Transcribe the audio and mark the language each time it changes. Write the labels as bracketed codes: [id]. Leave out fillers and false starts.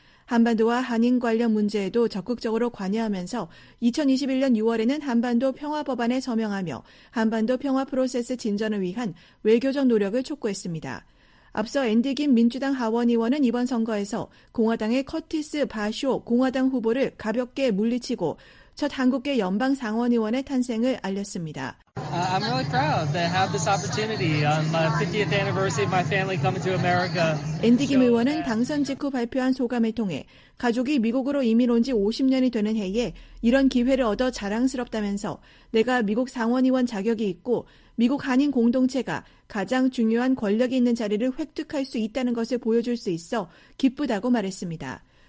[ko] 한반도와 한인 관련 문제에도 적극적으로 관여하면서 2021년 6월에는 한반도 평화법안에 서명하며 한반도 평화 프로세스 진전을 위한 외교적 노력을 촉구했습니다. 앞서 앤디 김 민주당 하원 의원은 이번 선거에서 공화당의 커티스 바쇼 공화당 후보를 가볍게 물리치고 첫 한국계 연방 상원 의원의 탄생을 알렸습니다. [en] I'm really proud to have this opportunity on my 50th anniversary of my family coming to America. [ko] 앤디 김 의원은 당선 직후 발표한 소감을 통해 가족이 미국으로 이민 온 지 50년이 되는 해에 이런 기회를 얻어 자랑스럽다면서 내가 미국 상원 의원 자격이 있고 미국 한인 공동체가 가장 중요한 권력이 있는 자리를 획득할 수 있다는 것을 보여줄 수 있어 기쁘다고 말했습니다.